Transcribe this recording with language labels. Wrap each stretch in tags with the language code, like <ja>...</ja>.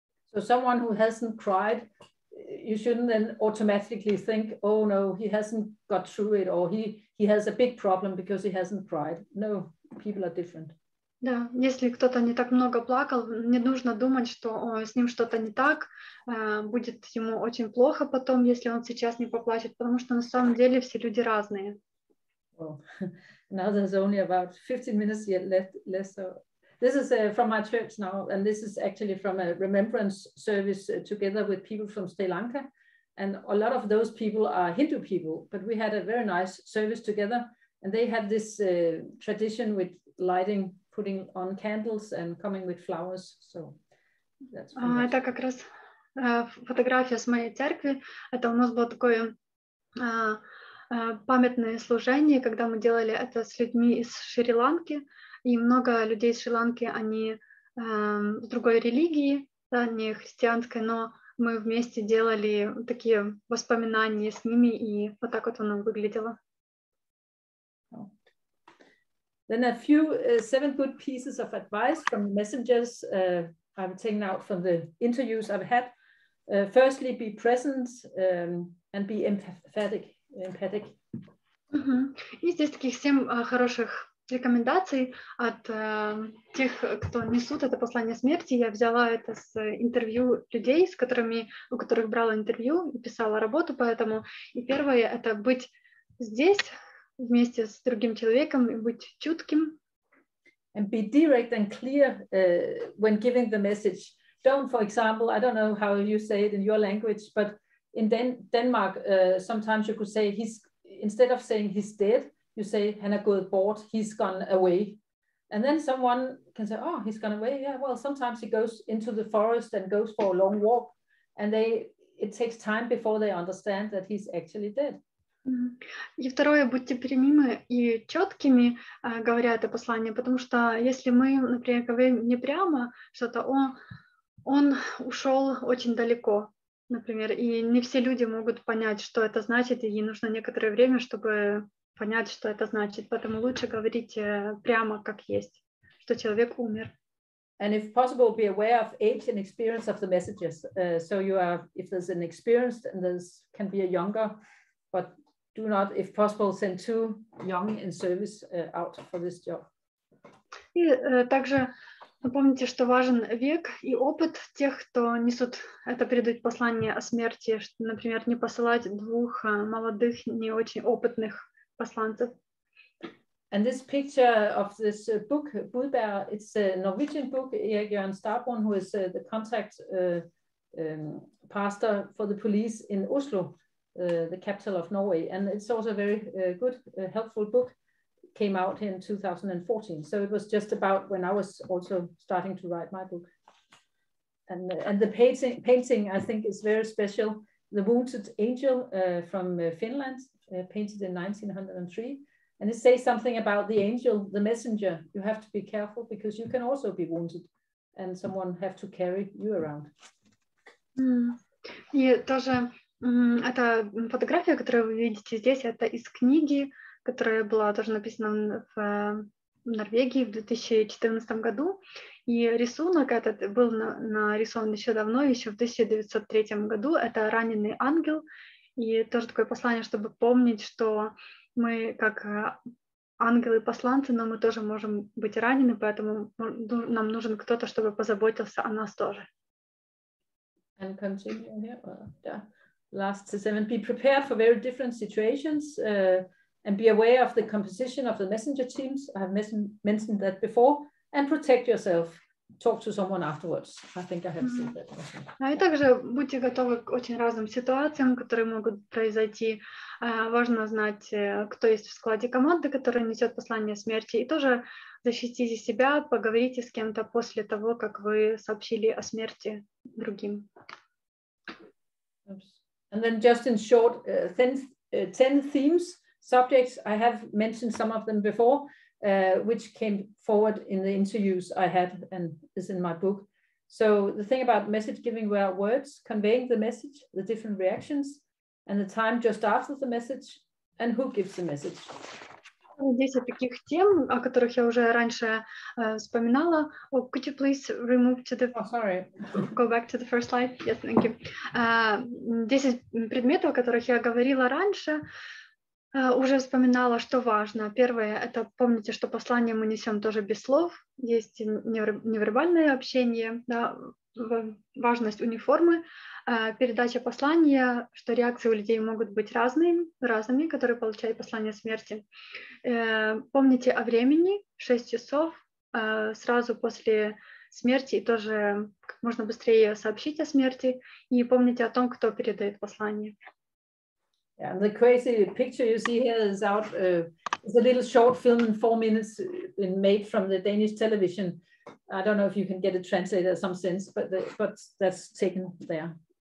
<en>So someone who hasn't cried, you shouldn't then automatically think, oh no, he hasn't got through it, or he has a big problem because he hasn't cried. No, people are different.</en> <ru>Да, если кто-то не так много плакал, не нужно думать, что с ним что-то не так, будет ему очень плохо потом, если он сейчас не поплачет, потому что на самом деле все люди разные.</ru> <en>Well, now there's only about 15 minutes yet left. So this is from my church now, and this is actually from a remembrance service together with people from Sri Lanka. And a lot of those people are Hindu people, but we had a very nice service together, and they had this tradition with lighting, putting on candles and coming with flowers. So that's</en> <ru>это как раз фотография с моей церкви. Это у нас было такое памятное служение, когда мы делали это с людьми из Шри-Ланки, и много людей из Шри-Ланки, они с другой религии, да, не христианской, но мы вместе делали такие воспоминания с ними, и вот так вот оно выглядело.</ru> <en>Then a few seven good pieces of advice from messengers I've taken out from the interviews I've had. Firstly, be present and be empathetic. Empathic.</en> <ru>Uh-huh. И здесь таких семь хороших рекомендаций от тех, кто несут это послание смерти. Я взяла это с интервью людей, с которыми, у которых брала интервью и писала работу по этому. И первое — это быть здесь вместе с другим человеком и быть чутким.</ru> <en>And be direct and clear when giving the message. Don't, for example, I don't know how you say it in your language, but in Denmark, sometimes you could say he's, instead of saying he's dead, you say</en> <da>han er gået bort,</da> <en>he's gone away. And then someone can say, oh, he's gone away. Yeah, well, sometimes he goes into the forest and goes for a long walk. And they, it takes time before they understand that he's actually dead.</en> <ru>И второе, будьте прямыми и четкими, говоря это послание, потому что если мы, например, говорим не прямо что-то, он ушел очень далеко, например, и не все люди могут понять, что это значит, и нужно некоторое время, чтобы понять, что это значит, поэтому лучше говорить прямо, как есть, что человек умер.</ru> <en>And if possible, be aware of age and experience of the messages, so you are, if there's an experienced and there's can be a younger, but do not, if possible, send two young in service out for this job.</en> <ru>И также помните, что важен век и опыт тех, кто несут это передать послание о смерти, что, например, не посылать двух молодых, не очень опытных посланцев.</ru> <en>And this picture of this book, Budbær, it's a Norwegian book, Erik-Jørgen Stabrun, who is the contact pastor for the police in Oslo. The capital of Norway, and it's also a very good, helpful book. It came out in 2014, so it was just about when I was also starting to write my book. And the painting I think is very special. The Wounded Angel from Finland, painted in 1903, and it says something about the angel, the messenger. You have to be careful because you can also be wounded, and someone have to carry you around. Mm. Yeah,</en> <ru>тоже. Это фотография, которую вы видите здесь, это из книги, которая была тоже написана в Норвегии в 2014 году. И рисунок этот был нарисован еще давно, еще в 1903 году. Это раненый ангел. И тоже такое послание, чтобы помнить, что мы как ангелы-посланцы, но мы тоже можем быть ранены, поэтому нам нужен кто-то, чтобы позаботился о нас тоже.</ru> <en>And continue here, yeah. Last seven, be prepared for very different situations and be aware of the composition of the messenger teams. I have mentioned that before. And protect yourself. Talk to someone afterwards. I think I have said that.</en> <ru>Ну и также будьте готовы к очень разным ситуациям, которые могут произойти. Важно знать, кто есть в складе команды, которая несет послание смерти. И тоже защитите себя, поговорите с кем-то после того, как вы сообщили о смерти другим.</ru> <en>Oops. And then just in short, 10 themes, subjects, I have mentioned some of them before, which came forward in the interviews I had and is in my book. So the thing about message giving were words, conveying the message, the different reactions, and the time just after the message, and who gives the message.</en> <ru>10 таких тем, о которых я уже раньше вспоминала.</ru> <en>Oh, could you please remove to the... Oh, sorry. Go back to the first slide. Yes, thank you.</en> <ru>10 предметов, о которых я говорила раньше, уже вспоминала, что важно. Первое, это помните, что послание мы несем тоже без слов. Есть невербальное общение, да, важность униформы, передача послания, что реакции у людей могут быть разными, которые получают послание смерти. Помните о времени, 6 часов, сразу после смерти, и тоже как можно быстрее сообщить о смерти, и помните о том, кто передает послание.</ru> <en>Yeah, and the crazy picture you see here is out, it's a little short film in 4 minutes made from the Danish television. I don't know if you can get it translated in some sense, but that's taken there.</en>